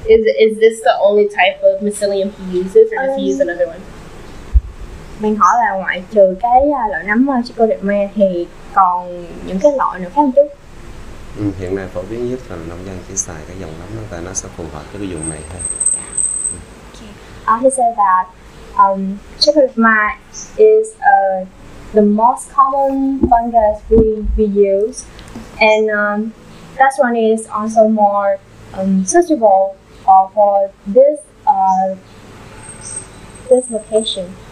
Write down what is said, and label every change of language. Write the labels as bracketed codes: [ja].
[en] Is this the only type of mycelium he uses, or does he use another one? [vi] Mình hỏi là ngoại trừ cái loại nấm chicory me thì còn những cái loại nào khác không chú? Hiện nay phổ biến nhất là nông dân chỉ xài cái dòng nấm đó, tại nó sẽ phù hợp với cái dùng này thôi. [en] Okay. He said that chicory me is the most common fungus we use, and that one is also more suitable for this this location.